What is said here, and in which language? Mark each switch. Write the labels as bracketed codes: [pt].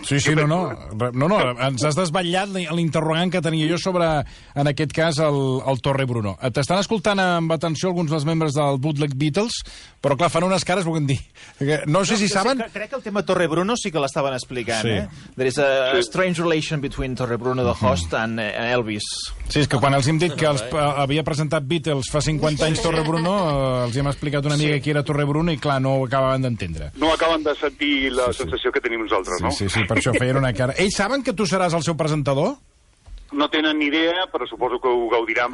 [ca] Sí, sí, no, ens has desvetllat l'interrogant que tenia jo sobre, en aquest cas, el Torrebruno. T'estan escoltant amb atenció alguns dels membres del Bootleg Beatles, però clar, fan unes cares, volguem dir. No sé si saben... Sí, crec que el tema Torrebruno sí que l'estaven explicant, sí. [en] There is a strange relation between Torrebruno, the host, and Elvis. [ca] Sí, és que quan els hem dit que els havia presentat Beatles fa 50 anys Torrebruno, els hem explicat una mica qui era Torrebruno i, clar, no ho acabaven d'entendre. No acaben de sentir la sensació que tenim nosaltres, no? Sí, per això feien una cara. Ells saben que tu seràs el seu presentador? No tenen ni idea, però suposo que ho gaudiran.